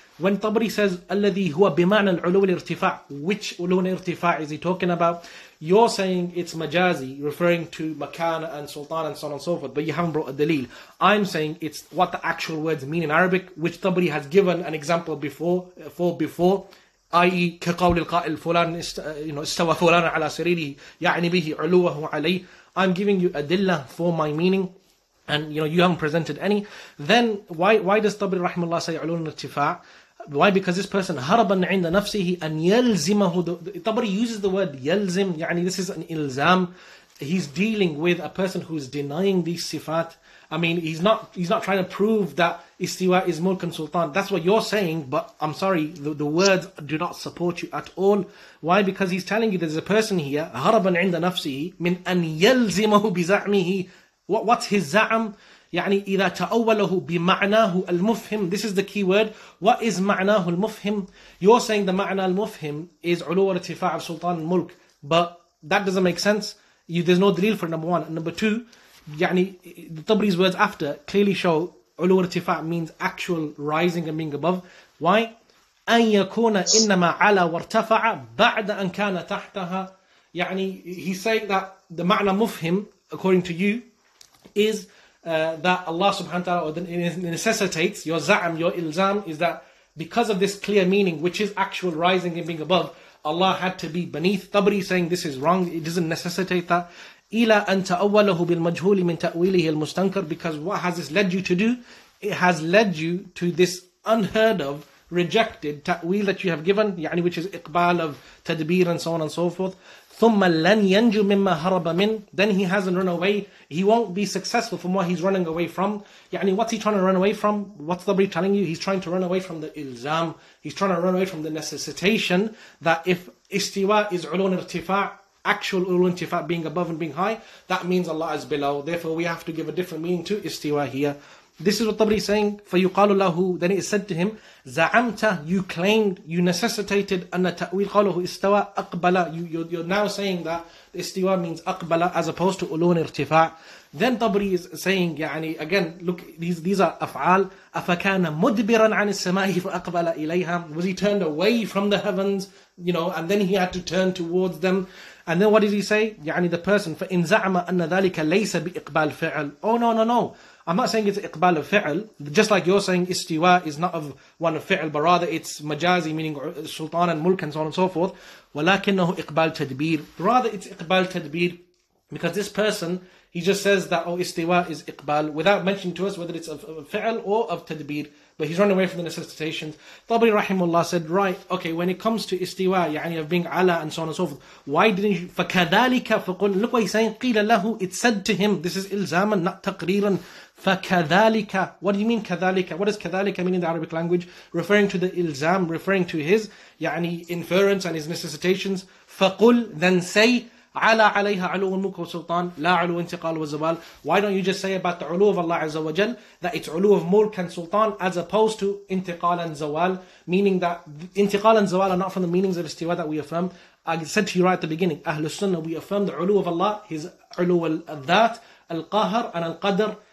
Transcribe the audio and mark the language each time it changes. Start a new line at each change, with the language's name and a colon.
English: When Tabari says
Arabic: الَّذِي هُوَ بِمَعْنَ الْعُلُوِ الْإِرْتِفَاعِ,
English: which ulun irtifa' is he talking about? You're saying it's majazi, referring to makana and sultan and so on and so forth, but you haven't brought a dalil. I'm saying it's what the actual words mean in Arabic, which Tabari has given an example before i.e.
Arabic: كقول القائل فلان
English: you know,
Arabic: استوى فلان على سريره يعني به علوه عليه.
English: I'm giving you adilla for my meaning, and you know you haven't presented any. Then why does Tabari
Arabic: رحمه الله
English: say
Arabic: علو الارتفاع?
English: Why? Because this person
Arabic: هربا عند نفسه أن يلزمه.
English: Tabari uses the word يلزم, يعني this is an إلزام. He's dealing with a person who is denying these sifat. I mean, he's not trying to prove that istiwa is mulkan sultan. That's what you're saying, but I'm sorry, the words do not support you at all. Why? Because he's telling you there's a person here,
Arabic: haraban inda nafsihi, min an yalzimahu bizamihi.
English: What's his za'am?
Arabic: يعني إذا تأوله بمعناه المفهم.
English: This is the key word. What is معناه المفهم? You're saying the معنى المفهم is
Arabic: علو ارتفاع سلطان الملك.
English: But that doesn't make sense. There's no dalil for number one. And number two, يعني the Tabari's words after clearly show علو ارتفاع means actual rising and being above. Why?
Arabic: أن يكون إنما على وارتفع بعد أن كان تحتها.
English: يعني he's saying that the معنى مفهم according to you is that Allah subhanahu wa ta'ala necessitates your za'am, your ilzam, is that because of this clear meaning, which is actual rising and being above, Allah had to be beneath. Tabari saying this is wrong, it doesn't necessitate that.
Arabic: إِلَىٰ أَن تَأَوَّلَهُ بِالْمَجْهُولِ مِنْ تَأْوِيلِهِ الْمُسْتَنْكَرِ.
English: Because what has this led you to do? It has led you to this unheard of, rejected ta'wil that you have given, يعني which is iqbal of tadbir and so on and so forth.
Arabic: ثُمَّ لَنْ يَنْجُو مِمَّا هَرَبَ مِنْ.
English: Then he hasn't run away. He won't be successful from what he's running away from. يعني what's he trying to run away from? What's Tabari telling you? He's trying to run away from the ilzam. He's trying to run away from the necessitation that if istiwa is ulun irtifa', actual ulun irtifa' being above and being high, that means Allah is below. Therefore we have to give a different meaning to istiwa here. This is what Tabari is saying.
Arabic: فَيُقَالُ لَهُ.
English: Then it is said to him, زَعَمْتَ. You claimed, you necessitated,
Arabic: أَنَّ تَأْوِيلَ قَالُهُ إِسْتَوَى أَقْبَلَ.
English: You're now saying that istiwa means أَقْبَلَ as opposed to أُلُونِ ارْتِفَاعِ. Then Tabari is saying, يعني, again, look, these are أفعال.
Arabic: أَفَكَانَ مُدْبِرًا عَنِ السَّمَاءِ فَأَقْبَلَ إِلَيْهَا.
English: Was he turned away from the heavens, you know, and then he had to turn towards them. And then what does he say?
Arabic: يعني
English: the person,
Arabic: فَإِنْ زَعَمَ أَنَّ ذَلِكَ لَيْسَ بِإِقْبَالِ فِعَلْ.
English: Oh, no. I'm not saying it's iqbal of fi'l, just like you're saying istiwa is not of one of fi'l, but rather it's majazi, meaning sultan and mulk and so on and so forth. وَلَكِنَّهُ iqbal tadbir. Rather it's iqbal tadbir, because this person, he just says that, oh, istiwa is iqbal, without mentioning to us whether it's of fi'l or of tadbir, but he's running away from the necessitations. Tabari rahimullah said, right, okay, when it comes to istiwa, يعني of being ala and so on and so forth, why didn't you,
Arabic: فَكَذَلِكَ فَقُلْ.
English: Look what he's saying,
Arabic: قِيلَ لَهُ.
English: It's said to him, this is ilzaman, not taqriran.
Arabic: فَكَذَلِكَ.
English: What do you mean كَذَلِكَ? What does كَذَلِكَ mean in the Arabic language? Referring to the ilzam, referring to his يعني inference and his necessitations.
Arabic: فَقُلْ.
English: Then say,
Arabic: عَلَىٰ عَلَيْهَا عَلُوٌ مُلْكُ وَسُلْطَانٌ لَا عَلُوٌ وَانْتِقَالٌ وَزَوَالٌ.
English: Why don't you just say about the ulu of Allah Azza wa Jal that it's ulu of mulk and sultan as opposed to intiqal and zawal, meaning that intiqal and zawal are not from the meanings of istiwa that we affirm. I said to you right at the beginning, Ahlu Sunnah, we affirm the ulu of Allah, his ulu al-dhat, al-qahar and al-qadr.